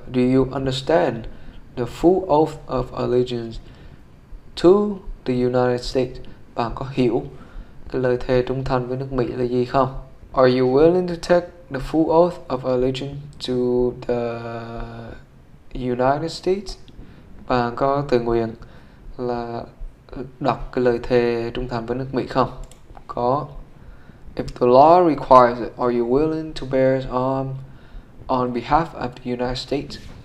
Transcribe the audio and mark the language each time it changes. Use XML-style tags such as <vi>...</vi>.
<en>Do you understand the full oath of allegiance to the United States?</en> <vi>Bạn có hiểu cái lời thề trung thành với nước Mỹ là gì không?</vi> <en>Are you willing to take the full oath of allegiance to the United States?</en> <vi>Bạn có tự nguyện là đọc cái lời thề trung thành với nước Mỹ không? Có.</vi> <en>If the law requires it, are you willing to bear arms on behalf of the United States?</en>